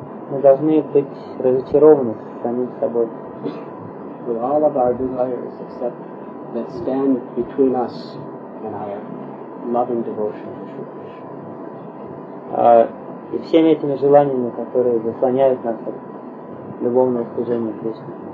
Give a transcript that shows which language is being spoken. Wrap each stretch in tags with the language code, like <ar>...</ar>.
<ru>Мы должны быть разочарованы самим собой.</ru> <en>With all of our desires except that stand between us and our loving devotion to Shri Krishna.</en> <ru>И всеми этими желаниями, которые заслоняют нас от любовного служения Кришне.</ru>